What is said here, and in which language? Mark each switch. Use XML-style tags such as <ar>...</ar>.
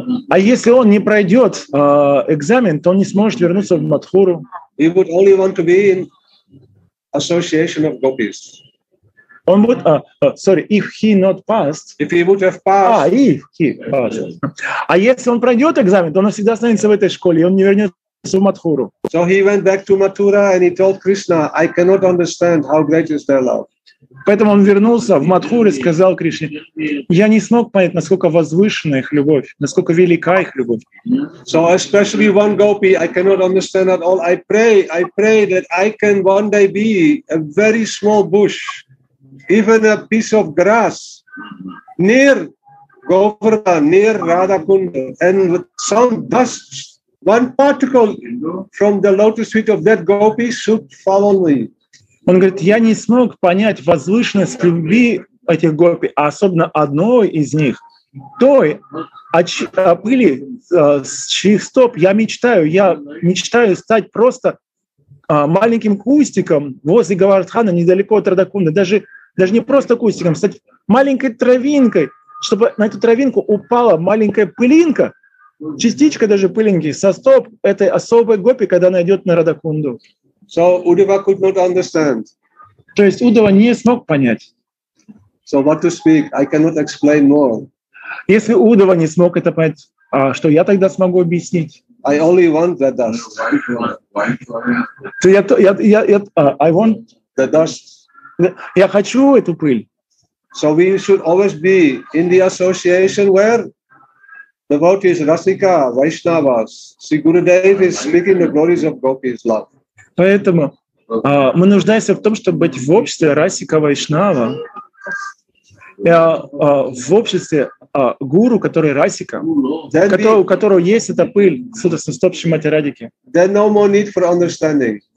<ru>А если он не пройдет экзамен, то он не сможет вернуться в Матхуру.</ru> <en>He would only want to be in association of gopis.</en> <ru>Он будет,</ru> <en>sorry, if he not passed. If he would have passed. If he passed.</en> <ru>А если он пройдет экзамен, то он всегда останется в этой школе, и он не вернется в Матхуру.</ru> <en>So he went back to Mathura and he told Krishna, I cannot understand how great is their love.</en> <ru>Поэтому он вернулся в Матхуру и сказал Кришне, я не смог понять, насколько возвышена их любовь, насколько велика их любовь.</ru> <en>So especially one gopi, I cannot understand at all. I pray that I can one day be a very small bush, even a piece of grass, near Govardhan, near Radhakunda, and with some dust, one particle from the lotus feet of that gopi should fall on me.</en> <ru>Он говорит, я не смог понять возвышенность любви этих гопи, а особенно одной из них, той пыли, с чьих стоп я мечтаю стать просто маленьким кустиком возле Говардхана, недалеко от Радхакунды, даже не просто кустиком, стать маленькой травинкой, чтобы на эту травинку упала маленькая пылинка, частичка даже пылинки со стоп этой особой гопи, когда она идет на Радхакунду.</ru> <en>So Uddhava could not understand.</en> <ru>То есть Удава не смог понять.</ru> <en>So what to speak? I cannot explain more.</en> <ru>Если Удава не смог это понять, а что я тогда смогу объяснить?</ru> <en>I only want the dust.</en> <ru>То я</ru> <en>I want the dust.</en> <ru>Я хочу эту пыль.</ru> <en>So we should always be in the association where devotees, Rasika, Vaishnavas, Sri Gurudev is speaking the glories of Gopi's love.</en> <ru>Поэтому мы нуждаемся в том, чтобы быть в обществе Расика Вайшнава, в обществе гуру, который Расика, у которого есть эта пыль, собственно, стопши Мати Радики.</ru> <en>No more need for understanding.</en>